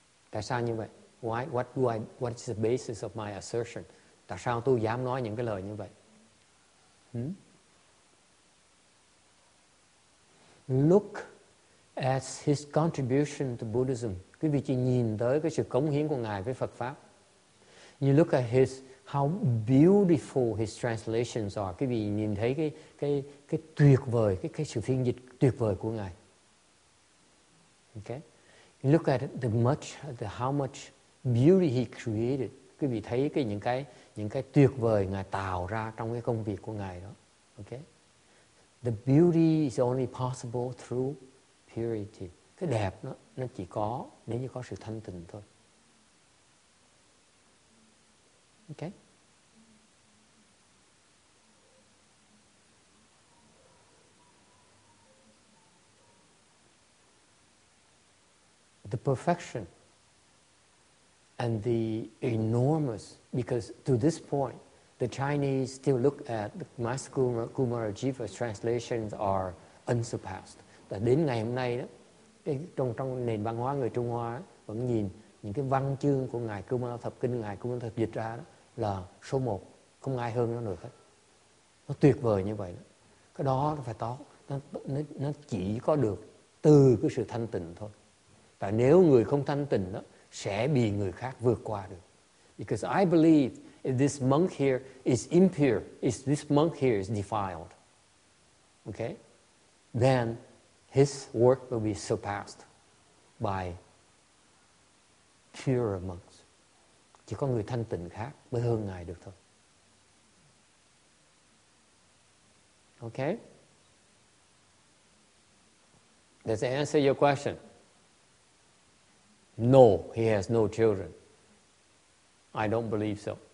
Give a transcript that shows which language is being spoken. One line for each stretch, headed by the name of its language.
Vietnamese: Tại sao như vậy?
English: Why? What is the basis of my assertion?
Vietnamese: Tại sao tôi dám nói những cái lời như vậy?
English: Look at his contribution to Buddhism.
Vietnamese: Quý vị chỉ nhìn tới cái sự cống hiến của ngài với Phật pháp.
English: You look at his how beautiful his translations are.
Vietnamese: Quý vị nhìn thấy cái tuyệt vời, cái sự phiên dịch tuyệt vời của ngài.
English: Okay. You look at how much beauty he created.
Vietnamese: Quý vị thấy những cái tuyệt vời ngài tạo ra trong cái công việc của ngài đó.
English: Okay. The beauty is only possible through purity.
Vietnamese: cái đẹp nó chỉ có nếu như có sự thanh tịnh thôi.
English: Ok. The perfection and the enormous, because to this point, the Chinese still look at the Master Kumara Jiva's translations are unsurpassed.
Vietnamese: Và đến ngày hôm nay đó, trong nền văn hóa người Trung Hoa vẫn nhìn những cái văn chương của ngài Kumara thập kinh, ngài Kumara thập dịch ra đó là số một, không ai hơn nó được hết. Nó tuyệt vời như vậy đó. Cái đó nó phải to, nó chỉ có được từ cái sự thanh tịnh thôi. Và nếu người không thanh tịnh đó sẽ bị người khác vượt qua được.
English: Because I believe if this monk here is impure, if this monk here is defiled, okay, then his work will be surpassed by purer monks.
Vietnamese: Chỉ có người thanh tịnh khác mới hơn ngài được thôi.
English: Okay? Does that answer your question? No, he has no children. I don't believe so.